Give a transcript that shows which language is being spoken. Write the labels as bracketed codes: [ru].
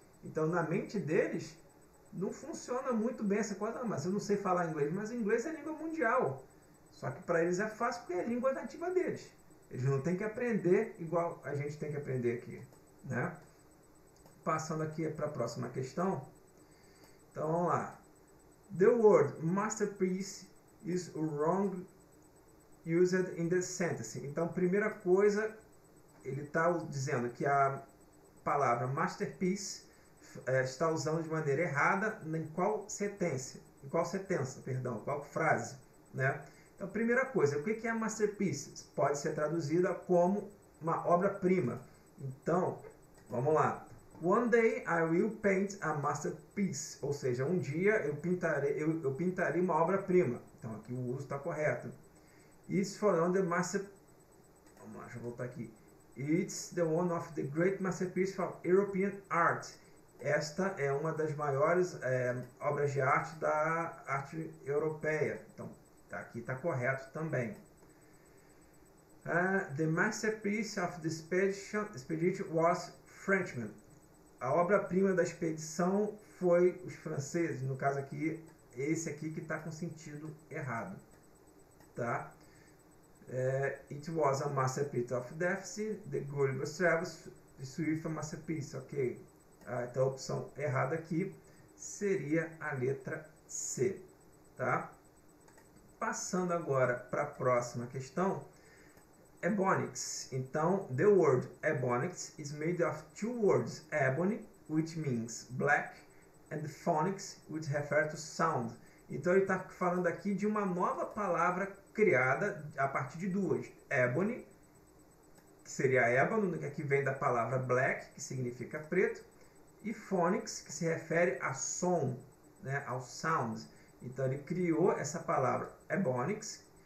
[pt] Então, na mente deles, não funciona muito bem essa coisa, não, mas eu não sei falar inglês, mas o inglês é a língua mundial. Só que para eles é fácil porque é a língua nativa deles. Eles não têm que aprender igual a gente tem que aprender aqui, né? Passando aqui para a próxima questão. Então, vamos lá. [en] The word masterpiece is wrong used in the sentence. [pt] Então, primeira coisa, ele está dizendo que a palavra masterpiece está usando de maneira errada em qual sentença? Em qual sentença, perdão, qual frase, né? Então, primeira coisa, o que é masterpiece? Pode ser traduzida como uma obra-prima. Então, vamos lá. [en] One day I will paint a masterpiece, [pt] ou seja, um dia eu pintarei uma obra-prima. Então aqui o uso está correto. [en] It's for on the master. [pt] Vamos lá, deixa eu voltar aqui. [en] It's the one of the great masterpieces of European art. [pt] Esta é uma das maiores obras de arte da arte europeia. Então aqui está correto também. [en] The masterpiece of the expedition was Frenchman. [pt] A obra-prima da expedição foi os franceses, no caso aqui, esse aqui que está com sentido errado, tá? [en] It was a masterpiece of Defoe, The Gulliver's Travels, The Swift a masterpiece, ok? [pt] Então a opção errada aqui seria a letra C, tá? Passando agora para a próxima questão. Ebonics. [en] Então, the word ebonics is made of two words, ebony, which means black, and phonics, which refers to sound. [pt] Então, ele está falando aqui de uma nova palavra criada a partir de duas. Ebony, que seria ébano, que aqui vem da palavra black, que significa preto, e phonics, que se refere a som, né, ao sound. Então, ele criou essa palavra ebonics.